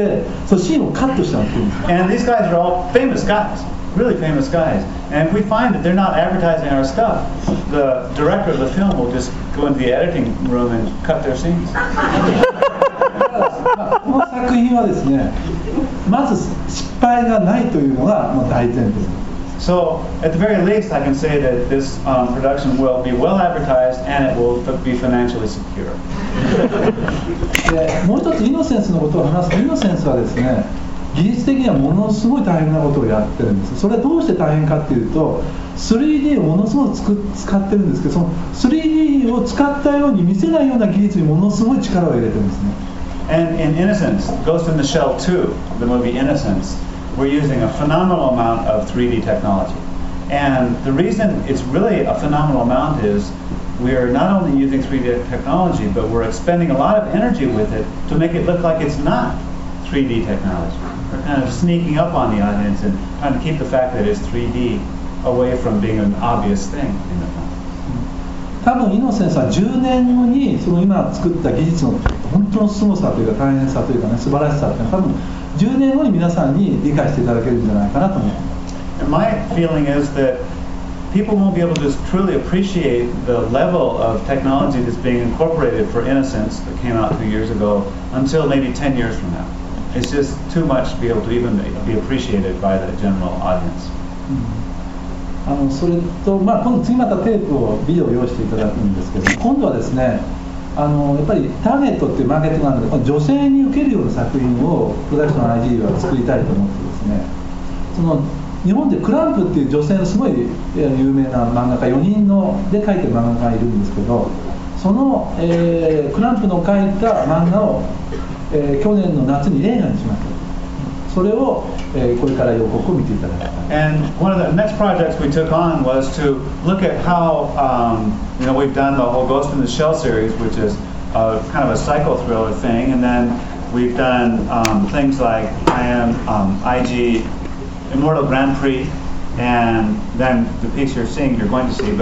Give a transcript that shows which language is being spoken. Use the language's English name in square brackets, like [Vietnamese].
[Japanese] もしもですね、そのみんな売れっ子なのね、雑誌とかテレビに必ず立ち食いのことを言わないと、監督がエディティング、編集で、そのシーンをカットしたっていう。And [English] these guys are all famous guys, really famous guys. And if we find that they're not advertising our stuff, the director of the film will just go into the editing room and cut their scenes. [Japanese] この作品はですね、まず失敗がないというのが大前提です。 [English] So at the very least, I can say that this production will be well advertised and it will be financially secure. [Japanese] もう一つイノセンスのことを話すと、イノセンスはですね、技術的にはものすごい大変なことをやってるんです。それはどうして大変かっていうと、 3D をものすごく使ってるんですけど、その 3D を使ったように見せないような技術にものすごい力を入れてるんですね。 [English] And in Innocence, Ghost in the Shell 2, the movie Innocence, we're using a phenomenal amount of 3D technology. And the reason it's really a phenomenal amount is we are not only using 3D technology, but we're expending a lot of energy with it to make it look like it's not 3D technology. We're kind of sneaking up on the audience and trying to keep the fact that it's 3D away from being an obvious thing in the film. [Japanese] 多分イノセンスは10年後にその今作った技術の本当の凄さというか大変さというかね、素晴らしさというのは多分10年後に皆さんに理解していただけるんじゃないかなと思います。 [English] And my feeling is that people won't be able to truly appreciate the level of technology that's being incorporated for Innocence that came out 2 years ago until maybe 10 years from now. It's just too much to be able to even be appreciated by the general audience. [Japanese] それと、まあ、今度次またテープをビデオを用意していただくんですけど、今度はですね、やっぱりターゲットっていうマーケットなので、女性に受けるような作品をプロダクション ID は作りたいと思ってですね、その日本でクランプっていう女性のすごい有名な漫画家、4人ので描いてる漫画家がいるんですけど、その、クランプの描いた漫画を、去年の夏に映画にしました。それを、これから予告を見ていただきたい。 [English] And one of the next projects we took on was to look at how you know, we've done the whole Ghost in the Shell series, which is a kind of a psycho thriller thing, and then we've done things like I Am IG Immortal Grand Prix, and then the piece you're seeing, you're going to see.